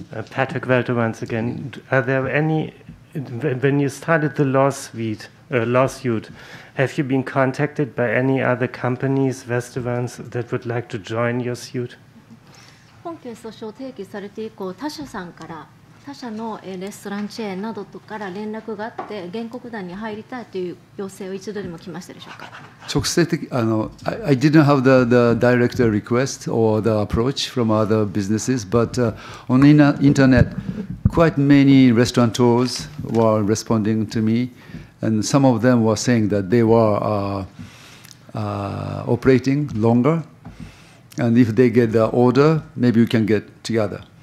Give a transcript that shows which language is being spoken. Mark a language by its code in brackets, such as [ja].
[en] Patrick Welter once again. Are there any, when you started the lawsuit, have you been contacted by any other companies, restaurants, that would like to join your suit? [ja] 本件訴訟を提起されて以降、他社さんから他社のレストランチェーンなどから連絡があって原告団に入りたいという要請を一度でも来ましたでしょうか? 直接的、 [en] I didn't have the direct request or the approach from other businesses, but on the internet, quite many restaurateurs were responding to me, and some of them were saying that they were operating longer, and if they get the order, maybe we can get together.